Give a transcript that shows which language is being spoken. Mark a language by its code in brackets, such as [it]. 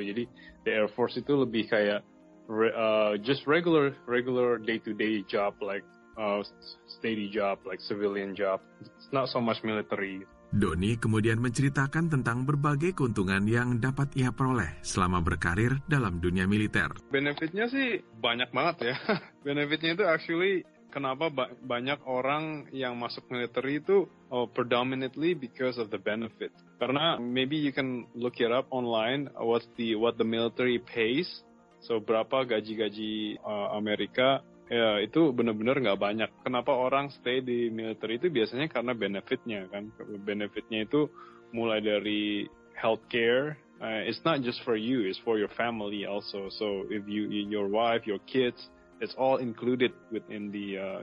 [id] Jadi [en] the Air Force [id] itu lebih kayak [en] just regular day-to-day job, like steady job, like civilian job. It's not so much military. [id] Doni kemudian menceritakan tentang berbagai keuntungan yang dapat ia peroleh selama berkarir dalam dunia militer. Benefitnya sih banyak banget ya. Benefitnya itu [en] actually [id] kenapa banyak orang yang masuk militer itu [en] predominantly because of the benefit. [id] Karena [en] maybe you can look it up online what the military pays. So [id] berapa gaji-gaji Amerika. Ya, itu benar-benar nggak banyak. Kenapa orang [en] stay [id] di militer itu biasanya karena benefitnya, kan? Benefitnya itu mulai dari healthcare. [en] It's not just for you, it's for your family also. So, if you, your wife, your kids, it's all included within the...